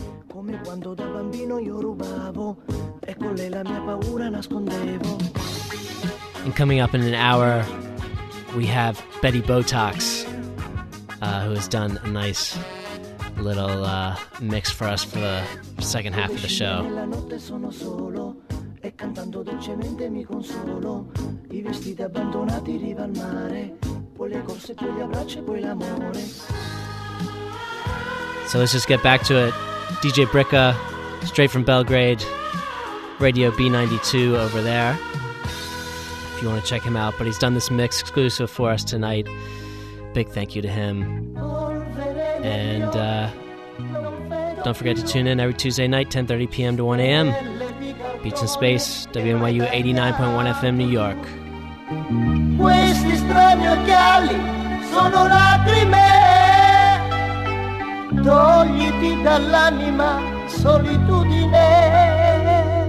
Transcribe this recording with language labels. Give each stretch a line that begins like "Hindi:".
Italian: Come quando da bambino io rubavo, ecco le la mia paura nascondevo.
English: And coming up in an hour, we have Betty Botox, who has done a nice little mix for us for the second half of the show.
Italian: La notte sono solo, e cantando dolcemente mi consolo. I vestiti abbandonati riva al mare, poi le corse, poi gli abbracci, poi l'amore.
English: So let's just get back to it. DJ Bricka, straight from Belgrade, Radio B92 over there, if you want to check him out. But he's done this mix exclusive for us tonight. Big thank you to him. And don't forget to tune in every Tuesday night, 10:30 p.m. to 1 a.m. Beats in Space, WNYU 89.1 FM, New York.
Italian: Questi strani occhiali sono lacrime. Togliti dall'anima solitudine.